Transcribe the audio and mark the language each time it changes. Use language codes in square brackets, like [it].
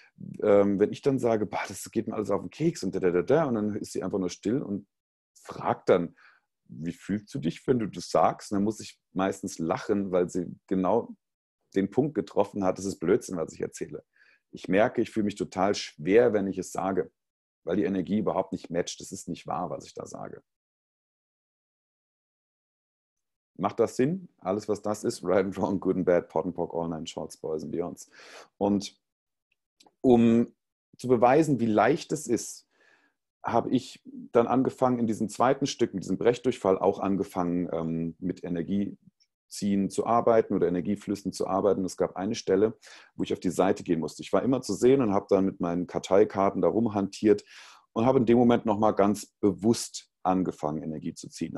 [de] Wenn ich dann sage, bah, das geht mir alles auf den Keks und da, und dann ist sie einfach nur still und fragt dann, wie fühlst du dich, wenn du das sagst? Und dann muss ich meistens lachen, weil sie genau den Punkt getroffen hat, das ist Blödsinn, was ich erzähle. Ich merke, ich fühle mich total schwer, wenn ich es sage, weil die Energie überhaupt nicht matcht. Das ist nicht wahr, was ich da sage. Macht das Sinn? Alles, was das ist, [en] right and wrong, good and bad, pot and pock, all nine shorts, boys and beyonds. [de] Und um zu beweisen, wie leicht es ist, habe ich dann angefangen, in diesem zweiten Stück, mit diesem Brechdurchfall, auch angefangen, mit Energieziehen zu arbeiten oder Energieflüssen zu arbeiten. Es gab eine Stelle, wo ich auf die Seite gehen musste. Ich war immer zu sehen und habe dann mit meinen Karteikarten da rumhantiert und habe in dem Moment nochmal ganz bewusst angefangen, Energie zu ziehen.